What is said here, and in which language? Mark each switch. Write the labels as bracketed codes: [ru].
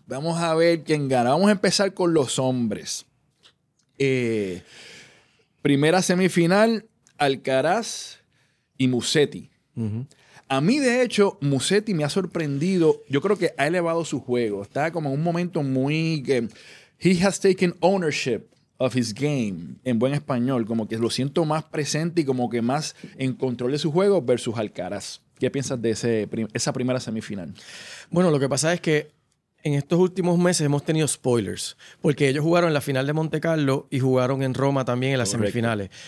[es] Vamos a ver quién gana. Vamos a empezar con los hombres. Primera semifinal, Alcaraz y Musetti. Uh-huh. A mí, de hecho, Musetti me ha sorprendido. Yo creo que ha elevado su juego. Está como en un momento muy... [en] he has taken ownership of his game, [es] en buen español. Como que lo siento más presente y como que más en control de su juego versus Alcaraz. ¿Qué piensas de esa primera semifinal? Bueno, lo que pasa es que en estos últimos meses hemos tenido spoilers, porque ellos jugaron en la final de Monte Carlo y jugaron en Roma también en las semifinales.